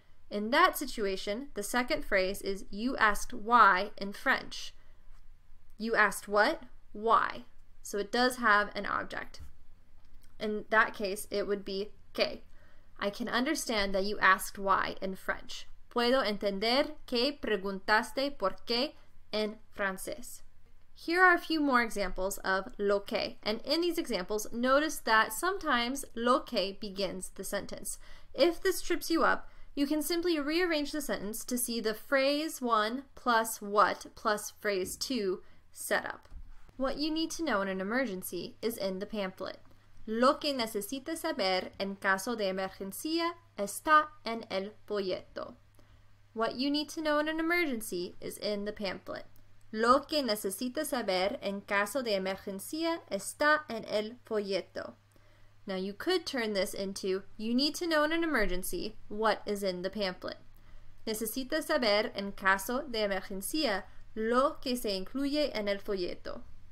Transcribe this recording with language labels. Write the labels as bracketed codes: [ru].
[en] In that situation, the second phrase is you asked why in French. You asked what? Why. So it does have an object. In that case, it would be que. I can understand that you asked why in French. [es] Puedo entender que preguntaste por qué en francés. [en] Here are a few more examples of lo que. And in these examples, notice that sometimes lo que begins the sentence. If this trips you up, you can simply rearrange the sentence to see the phrase one plus what plus phrase two set up. What you need to know in an emergency is in the pamphlet. [es] Lo que necesita saber en caso de emergencia está en el folleto. [en] What you need to know in an emergency is in the pamphlet. [es] Lo que necesita saber en caso de emergencia está en el folleto. [en] Now you could turn this into you need to know in an emergency what is in the pamphlet. [es] Necesita saber en caso de emergencia lo que se incluye en el folleto.